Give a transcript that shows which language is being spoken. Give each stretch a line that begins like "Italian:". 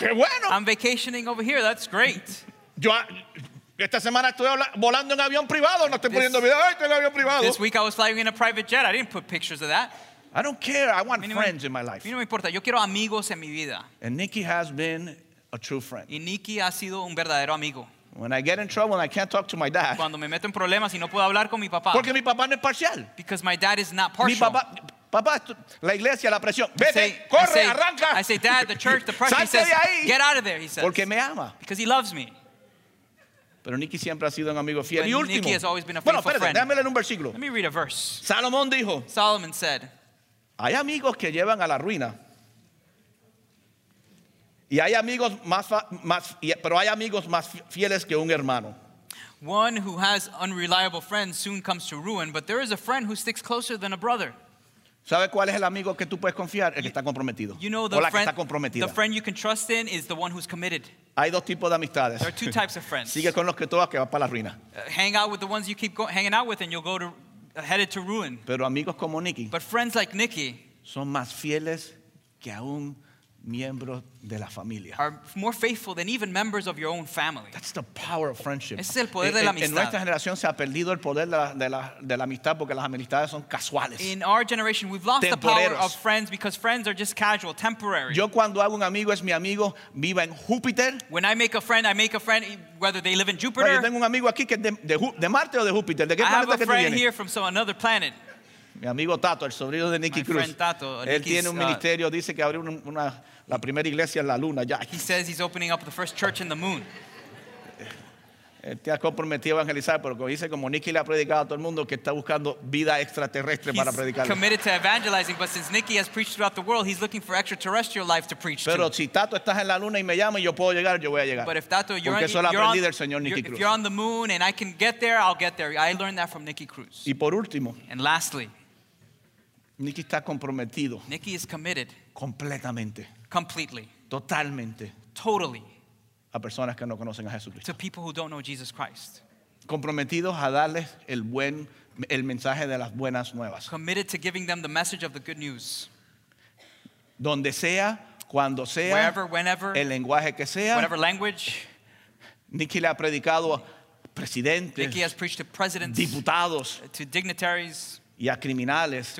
Spanish: Qué bueno.
English: I'm vacationing over here. That's great.
Spanish: Yo Esta semana estuve volando en avión privado, no estoy poniendo video. Estoy en avión privado.
English: This week I was flying in a private jet. I didn't put pictures of that. I don't care. I want friends in my life.
Spanish: No me importa. Yo quiero amigos en mi vida.
English: And Nikki has been a true friend.
Spanish: Y Nikki ha sido un verdadero amigo.
English: When I get in trouble and I can't talk to my dad.
Spanish: Cuando me meto en problemas y no puedo hablar con mi papá. Porque mi papá no es parcial.
English: Because my dad is not partial.
Spanish: Mi papá, papá, la iglesia, la presión. Vete, corre, arranca.
English: I say, Dad, the church, the pressure.
Spanish: Salte de ahí.
English: He says, get out of there. He says.
Spanish: Porque me ama.
English: Because he loves me.
Spanish: Pero Nikki siempre ha sido un amigo fiel. Y último.
English: Nikki has always been a faithful friend.
Spanish: Bueno, espérate, déjame leer un versículo.
English: Let me read a verse.
Spanish: Salomón dijo.
English: Solomon said.
Spanish: Hay amigos que llevan a la ruina. Y hay amigos pero hay amigos más fieles que un hermano.
English: One who has unreliable friends soon comes to ruin, but there is a friend who sticks closer than a brother.
Spanish: ¿Sabe cuál es el amigo que tú puedes confiar? El que está comprometido.
English: You know,
Spanish: o la que está comprometida.
English: The friend you can trust in is the one who's committed.
Spanish: Hay dos tipos de amistades.
English: There are two types of friends.
Spanish: Sigue con los que tú vas que vas para la ruina.
English: Hang out with the ones you keep hanging out with and you'll go to headed to ruin.
Spanish: Pero amigos como Nikki.
English: But friends like Nikki
Spanish: son más fieles que aún miembros de la familia.
English: Are more faithful than even members of your own family. That's the power of friendship.
Spanish: Ese es el poder de la amistad. En nuestra generación se ha perdido el poder de la amistad porque las amistades son casuales.
English: In our generation we've lost the power of friends because friends are just casual, temporary.
Spanish: Yo cuando hago un amigo es mi amigo viva en Júpiter.
English: When I make a friend, I make a friend whether they live in Jupiter.
Spanish: Yo tengo un amigo aquí que de Marte o de Júpiter, ¿de qué planeta que viene?
English: I have a friend here from some another planet.
Spanish: Mi amigo Tato, el sobrino de Nikki Cruz. Tato, él tiene un ministerio, dice que abrió la primera iglesia en la luna. Ya.
English: He says he's opening up the first church in the moon.
Spanish: Él te ha comprometido a evangelizar, pero como dice, como Nikki le ha predicado a todo el mundo, que está buscando vida extraterrestre
English: he's
Spanish: para predicar.
English: He's committed to evangelizing, but since Nikki has preached throughout the world, he's looking for extraterrestrial life to preach
Spanish: pero
English: to.
Spanish: Pero si Tato estás en la luna y me llama y yo puedo llegar, yo voy a llegar.
English: But if Tato, you're
Spanish: porque eso lo aprendí del señor Nikki Cruz.
English: If you're on the moon and I can get there, I'll get there. I learned that from Nikki Cruz.
Spanish: Y por último.
English: And lastly.
Spanish: Nikki está comprometido.
English: Nikki is committed.
Spanish: Completamente.
English: Completely.
Spanish: Totalmente.
English: Totally.
Spanish: A personas que no conocen a Jesucristo.
English: To people who don't know Jesus Christ.
Spanish: Comprometidos a darles el mensaje de las buenas nuevas.
English: Committed to giving them the message of the good news.
Spanish: Donde sea, cuando sea,
English: wherever, whenever,
Spanish: el lenguaje que sea.
English: Whatever language.
Spanish: Nikki le ha predicado a presidentes.
English: Nikki has preached to presidents.
Spanish: Diputados.
English: To dignitaries.
Spanish: Y a criminales